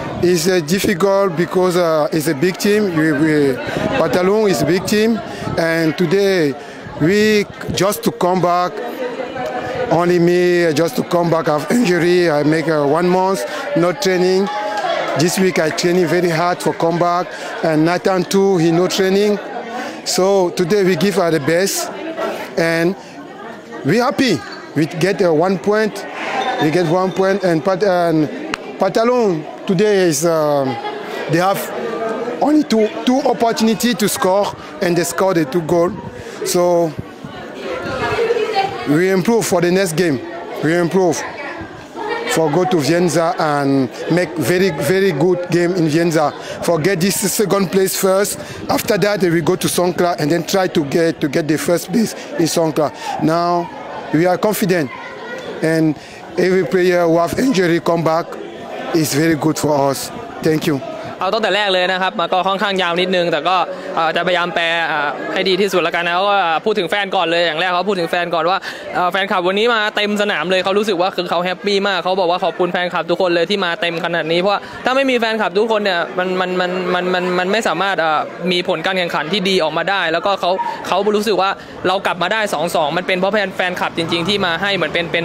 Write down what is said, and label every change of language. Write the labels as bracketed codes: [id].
[en] is difficult because it's a big team Pantaloon is a big team and today we just to come back only me just to come back of injury I make one month no trainingThis week I training very hard for comeback, and Nathan too he no training. So today we give her the best, and we happy. We get one point. We get one point, and Pantaloon today is they have only two opportunity to score, and they scored the two goal. So we improve for the next game. We improve. For go to Vienza and make very very good game in Vienza. Forget this second place first. After that, we go to Songkla and then try to get the first place in Songkla. Now we are confident, and every player who have injury come back is very good for us. Thank you. [th] เอาตั้งแต่แรกเลยนะครับมาก็ค่อนข้างยาวนิดนึงแต่ก็จะพยายามแปลให้ดีที่สุดแล้วกันนะก็พูดถึงแฟนก่อนเลยอย่างแรกเขาพูดถึงแฟนก่อนว่าแฟนคลับวันนี้มาเต็มสนามเลยเขารู้สึกว่าคือเขาแฮปปี้มากเขาบอกว่าขอบคุณแฟนคลับทุกคนเลยที่มาเต็มขนาดนี้เพราะถ้าไม่มีแฟนคลับทุกคนเนี่ยมันไม่สามารถมีผลการแข่งขันที่ดีออกมาได้แล้วก็เขารู้สึกว่าเรากลับมาได้สองสองมันเป็นเพราะแฟนคลับจริงๆที่มาให้เหมือนเ